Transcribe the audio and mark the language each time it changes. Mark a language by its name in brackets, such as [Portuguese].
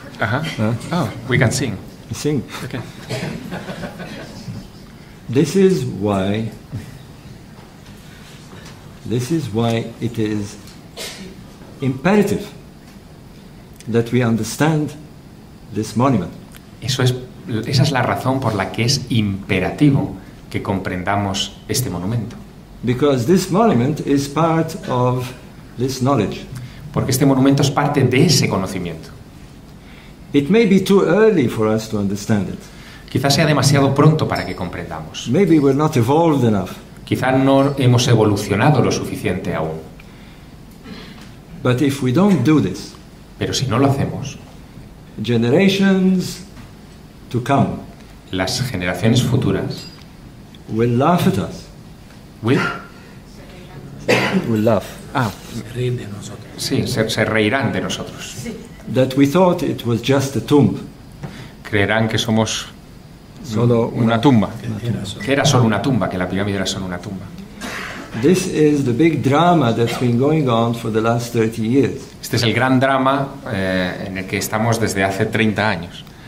[English] Uh-huh. Oh, we can sing. Sing. Okay. This is why it is imperative that we understand this monument. [Spanish] Esa es la razón por la que es imperativo que comprendamos este monumento. [English] Because this monument is part of this knowledge. [Spanish] Porque este monumento es parte de ese conocimiento. [English] It may be too early for us to understand it. [Spanish] Quizás sea demasiado pronto para que comprendamos. [English] Maybe we're not evolved enough. [Spanish] Quizás no hemos evolucionado lo suficiente aún. [English] But if we don't do this, [Spanish] pero si no lo hacemos, [English] generations to come, [Spanish] las generaciones futuras, [English] will laugh at us. Will laugh. Ah, [Spanish] reír de nosotros. Sí, se reirán de nosotros. [English] That we thought it was just a tomb. [Spanish] Creerán que somos solo una tumba. Que era solo una tumba, que la pirámide era solo una tumba. [English] This is the big drama that's been going on for the last 30 years. [Spanish] Este es el gran drama en el que estamos desde hace 30 años.